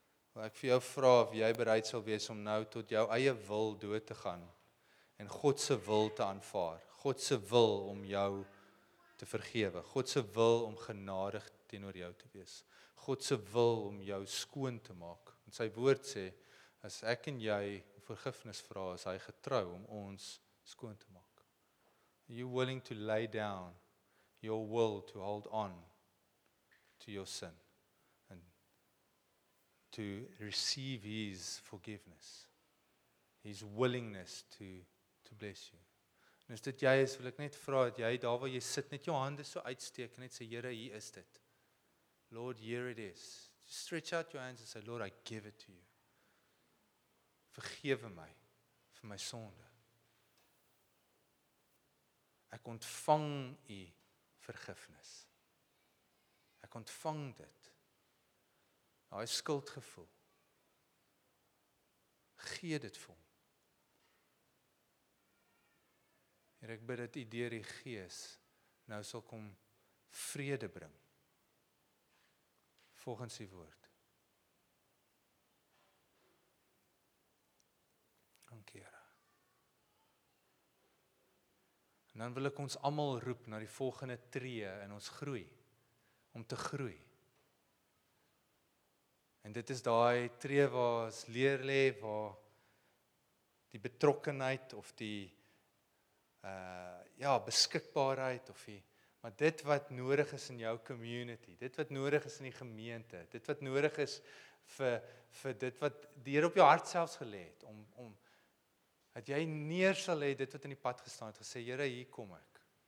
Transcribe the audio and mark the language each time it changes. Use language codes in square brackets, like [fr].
[af] Wil ek vir jou vra of jy bereid sal wees om nou tot jou eie wil dood te gaan en God se wil te aanvaar. God se wil om jou te vergewe. God se wil om genadig teenoor jou te wees. God se wil om jou skoon te maak. En sy woord sê, as ek en jy vergifnis vra, is hy getrou om ons skoon te maak. [en] Are you willing to lay down your will to hold on to your sin and to receive his forgiveness, his willingness to bless you? [af] En as dit jy is, wil ek net vra, dat jy daar waar jy sit, net jou hande so uitsteek en net sê, Here, hier is dit. [en] Lord, here it is. Just stretch out your hands and say, Lord, I give it to you. [af] Vergewe my vir my sonde. Ek ontvang u vergifnis. Ek ontvang dit. Daai skuldgevoel. Gee dit vir hom. Here, ek bid dat u deur die Gees nou sal kom vrede bring. Volgens die woord. Dankie, Here. En dan wil ek ons almal roep na die volgende tree in ons groei, om te groei. En dit is daai tree waar ons leer lê, waar die betrokkenheid of die beskikbaarheid of die maar dit wat nodig is in jou community, dit wat nodig is in die gemeente, dit wat nodig is vir dit wat die Here op jou hart selfs gelê het, om dat jy neer sal lê dit wat in die pad gestaan het, gesê, Here, hier kom ek.